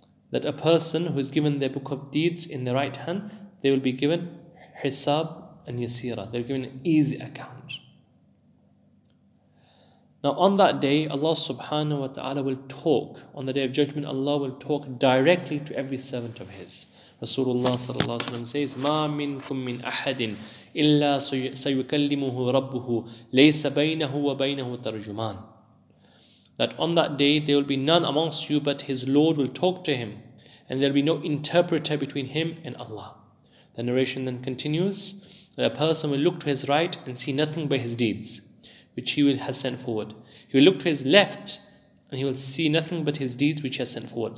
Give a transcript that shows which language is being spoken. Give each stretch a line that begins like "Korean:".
English: That a person who is given their book of deeds in the right hand, they will be given حِسَاب and يَسِيرًا. They're given an easy account. Now on that day, Allah subhanahu wa ta'ala will talk. On the day of judgment, Allah will talk directly to every servant of His.
Arabic: Rasulullah sallallahu alaihi wasallam says, مَا مِنْكُمْ مِنْ أَحَدٍ إِلَّا سَيُكَلِّمُهُ رَبُّهُ لَيْسَ بَيْنَهُ وَبَيْنَهُ تَرْجُمَانٌ.
English: That on that day there will be none amongst you but his Lord will talk to him, and there will be no interpreter between him and Allah. The narration then continues, that a person will look to his right and see nothing but his deeds, which he will have sent forward. He will look to his left and he will see nothing but his deeds which he has sent forward.